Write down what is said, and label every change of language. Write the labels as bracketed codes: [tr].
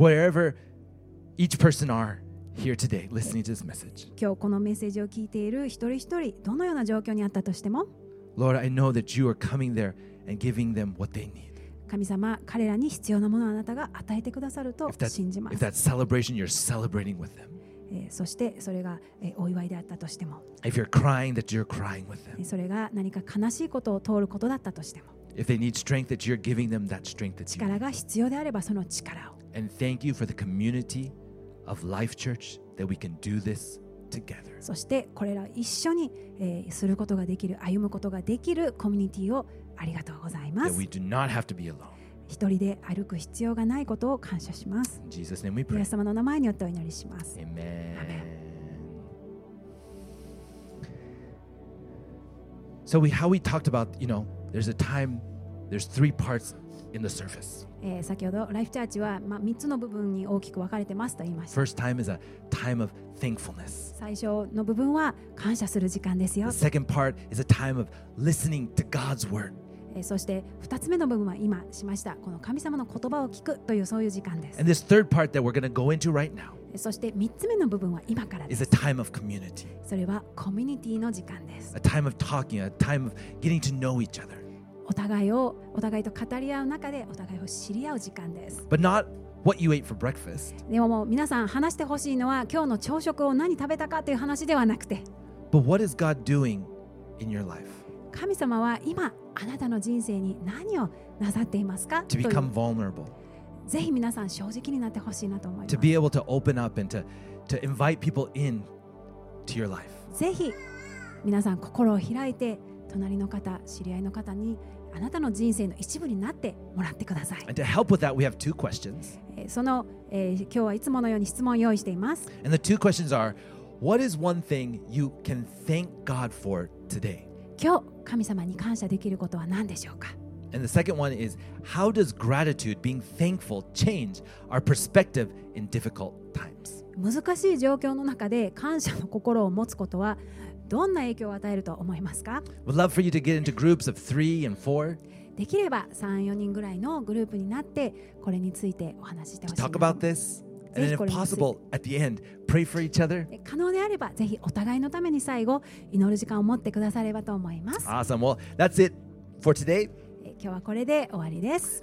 [en] Wherever each person are here today, listening to this message. [ja] 今日このメッセージを聞いている一人一人どのような状況にあったとしても、 [en] Lord, I know that you are coming there and giving them what they need. [ja] 神様、彼らに必要なものをあなたが与えてくださると信じます。 [en] If that celebration you're celebrating with them. [ja] そしてそれがお祝いであったとしても [en] If you're crying, that you're crying with them. [ja] それが何か悲しいことを通ることだったとしても [en] If they need strength, that you're giving them that strength that you need. [ja] 力が必要であればその力を [en] And thank you for the community of Life Church that we can do this together. [ja] そしてこれらを一緒に、することができる歩むことができるコミュニティをありがとうございます [en] That we do not have to be alone. [ja] 一人で歩く必要がないことを感謝します。 [en] In Jesus' name we pray. [ja] イエス様の名前によってお祈りします。 [en] Amen. Amen. So we, how we talked about, you know, there's a time, there's three parts in the service. [ja] 先ほど、ライフチャーチは、3つの部分に大きく分かれてますと言いました。 [en] First time is a time of thankfulness. [ja] 最初の部分は感謝する時間ですよ。 [en] The second part is a time of listening to God's word. [ja] そして2つ目の部分は今しましたこの神様の言葉を聞くというそういう時間です [en] And this third part that we're going to go into right now [ja] そして3つ目の部分は今からです [en] is a time of community. [ja] それはコミュニティの時間です [en] A time of talking, a time of getting to know each other [ja] お互いと語り合う中でお互いを知り合う時間です [en] But not what you ate for breakfast [ja] でも皆さん話してほしいのは今日の朝食を何食べたかという話ではなくて [en] But what is God doing in your life? [ja] 神様は今あなたの人生に何をなさっていますか [en] To become vulnerable. [ja] ぜひ皆さん正直になってほしいなと思います [en] To be able to open up and to invite people in to your life. [ja] ぜひ皆さん心を開いて隣の方、知り合いの方にあなたの人生の一部になってもらってください。 [en] And to help with that, we have two questions. [ja] その、今日はいつものように質問を用意しています。 [en] And the two questions are, what is one thing you can thank God for today? [ja] 今日神様に感謝できることは何でしょうか [en] And the second one is, how does gratitude, being thankful, change our perspective in difficult times? [ja] 難しい状況の中で感謝の心を持つことはどんな影響を与えると思いますか [en] We'd love for you to get into groups of three and four. [ja] できれば3、4人ぐらいのグループになってこれについてお話してほしい [en] Talk about this. And if possible, at the end, pray for each other. [ja] 可能であれば、ぜひお互いのために最後祈る時間を持ってくださればと思います。 [en] Awesome. Well, that's it for today. [ja] 今日はこれで終わりです。